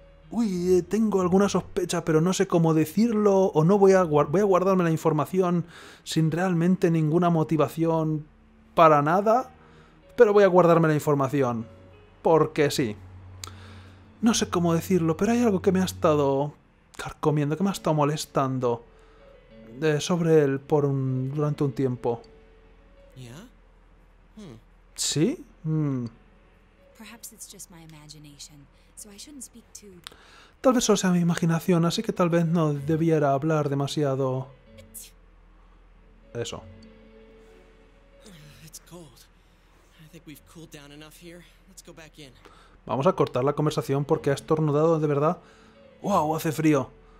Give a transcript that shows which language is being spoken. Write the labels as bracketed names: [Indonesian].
[Spanish] Uy, tengo alguna sospecha, pero no sé cómo decirlo, o no voy a voy a guardarme la información sin realmente ninguna motivación para nada, pero voy a guardarme la información, porque sí. No sé cómo decirlo, pero hay algo que me ha estado carcomiendo, que me ha estado molestando sobre él por durante un tiempo. ¿Sí? [English] Perhaps it's just my imagination, so I shouldn't speak too. [Spanish] Tal vez solo sea mi imaginación, así que tal vez no debiera hablar demasiado. [English] Eso. It's cold. I think we've cooled down enough here. Let's go back in. [Spanish] Vamos a cortar la conversación porque ha estornudado de verdad. ¡Wow! Hace frío.